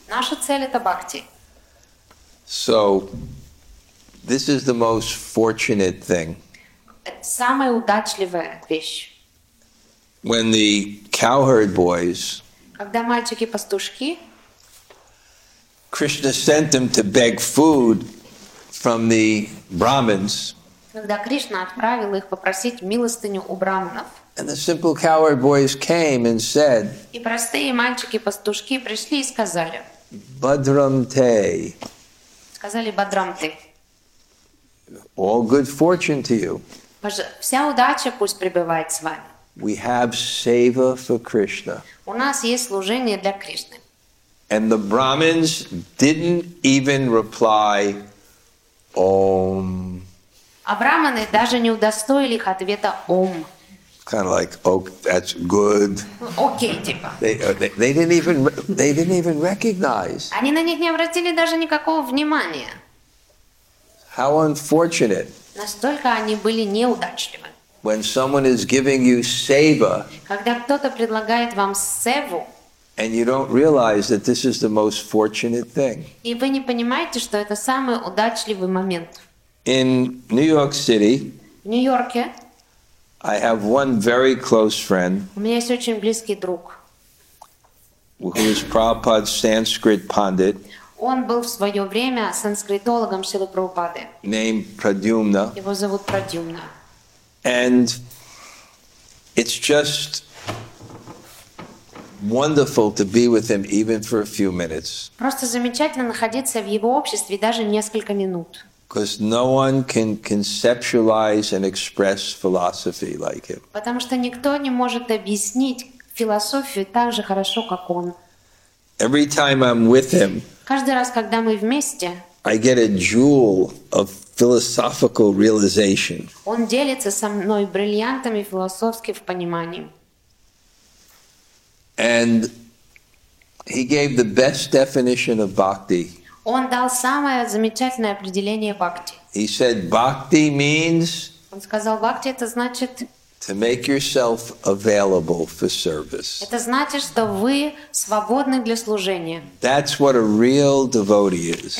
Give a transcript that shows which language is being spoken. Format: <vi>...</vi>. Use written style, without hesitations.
<ru>Наша цель это бхакти.</ru> <en>So, this is the most fortunate thing.</en> <ru>Самая удачливая вещь.</ru> <en>When the cowherd boys,</en> <ru>когда мальчики-пастушки,</ru> <en>Krishna sent them to beg food from the Brahmins.</en> <ru>Когда Кришна отправил их попросить милостыню у брахманов.</ru> <en>And the simple cowherd boys came and said,</en> <ru>и простые мальчики-пастушки пришли и сказали,</ru> <sa>Бадрамте.</sa> <ru>Сказали, Бадрамте.</ru> <en>All good fortune to you.</en> <ru>Вся удача пусть пребывает с вами.</ru> <en>We have seva for Krishna.</en> <ru>У нас есть служение для Кришны.</ru> <en>And the Brahmins didn't even reply, Om.</en> <ru>А брахманы даже не удостоили их ответа Om.</ru> <en>Kind of like, oh, that's good.</en> <ru>Okay, типа.</ru> <en>They didn't even recognize.</en> <ru>Они на них не обратили даже никакого внимания.</ru> <en>How unfortunate.</en> <ru>Настолько они были неудачливы.</ru> <en>When someone is giving you seva.</en> <ru>Когда кто-то предлагает вам севу.</ru> <en>And you don't realize that this is the most fortunate thing.</en> <ru>И вы не понимаете, что это самый удачливый момент.</ru> <en>In New York City.</en> <ru>В Нью-Йорке.</ru> <en>I have one very close friend.</en> <ru>У меня есть очень близкий друг.</ru> <en>Who is Prabhupada's Sanskrit pandit?</en> <ru>Он был в свое время санскритологом Шрилы Прабхупады.</ru> <en>Named Pradyumna.</en> <ru>Его зовут Прадюмна.</ru> <en>And it's just wonderful to be with him even for a few minutes.</en> <ru>Просто замечательно находиться в его обществе даже несколько минут.</ru> <en>Because no one can conceptualize and express philosophy like him.</en> <ru>Потому что никто не может объяснить философию так же хорошо, как он.</ru> <en>Every time I'm with him,</en> <ru>каждый раз, когда мы вместе,</ru> <en>I get a jewel of philosophical realization.</en> <ru>Он делится со мной бриллиантами философских пониманий.</ru> <en>And he gave the best definition of bhakti.</en> <ru>Он дал самое замечательное определение бхакти.</ru> <en>He said, bhakti means,</en> <ru>он сказал, бхакти это значит</ru> <en>to make yourself available for service.</en> <ru>Это значит, что вы свободны для служения.</ru> <en>That's what a real devotee is.</en>